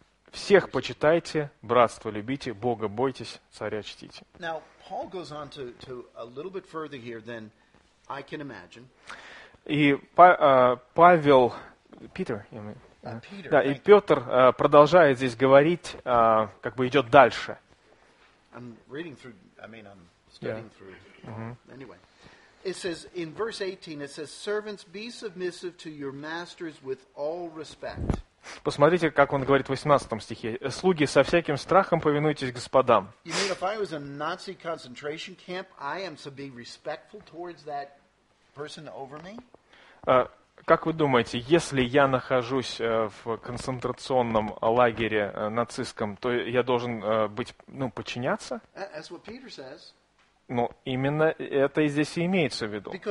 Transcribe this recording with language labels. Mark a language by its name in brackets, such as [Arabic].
[Russian] Всех почитайте, братство любите, Бога бойтесь, царя чтите. [English] Now, Paul goes on to a little bit further here than I can imagine. [Russian] И Павел, Питер, я имею в виду, да, и Петр продолжает здесь говорить, как бы идет дальше. [English] I'm reading through, I mean, I'm studying through. Anyway, it says in verse 18, it says, servants, be submissive to your masters with all respect. [Russian] Посмотрите, как он говорит в 18 стихе. Слуги, со всяким страхом повинуйтесь господам. [English] You mean if I was in a Nazi concentration camp, I am to be respectful towards that person over me? [Russian] Как вы думаете, если я нахожусь в концентрационном лагере нацистском, то я должен быть, ну, подчиняться? [English] That's what Peter says. [Russian] Но именно это и здесь и имеется в виду.